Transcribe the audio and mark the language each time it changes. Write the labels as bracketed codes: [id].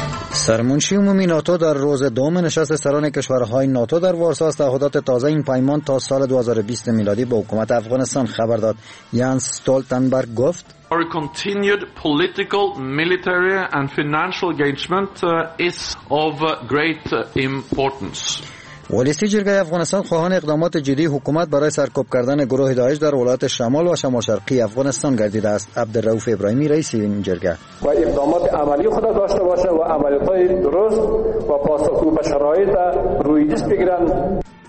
[fa] سرمنشی عمومی ناتو در روز دوم نشست سران کشورهای ناتو در وارسا از تعهدات تازه این پیمان تا سال 2020 میلادی به حکومت افغانستان خبر داد. ینس استولتنبرگ گفت [en] Our continued political, military and financial engagement is of great importance. [fa] ولسی جرگه افغانستان خواهان اقدامات جدی حکومت برای سرکوب کردن گروه داعش در ولایت شمال و شمال شرقی افغانستان گردیده است. عبدالرؤوف ابراهیمی رئیس این جرگه و اقدامات عملی خود داشته باشه و عملیات درست و پاسخگو به شرایط روی دست بگیرند.